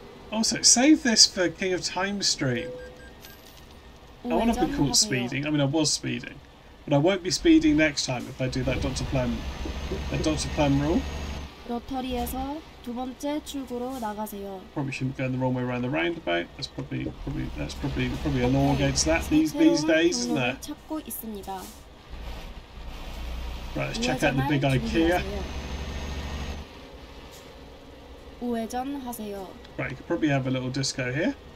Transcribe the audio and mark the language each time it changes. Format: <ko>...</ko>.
<en>Also, save this for King of Time stream. I want to be caught speeding. I mean, I was speeding. But I won't be speeding next time if I do that Dr. Plem rule.</en> <ko>로터리에서 두 번째 출구로 나가세요.</ko> <en>Probably shouldn't go in the wrong way around the roundabout. That's probably a law against that these days, isn't there?</en> <ko>찾고 있습니다.</ko> <en>Right, let's check out the big IKEA.</en> <ko>우회전 하세요.</ko> <en>Right, you could probably have a little disco here.</en>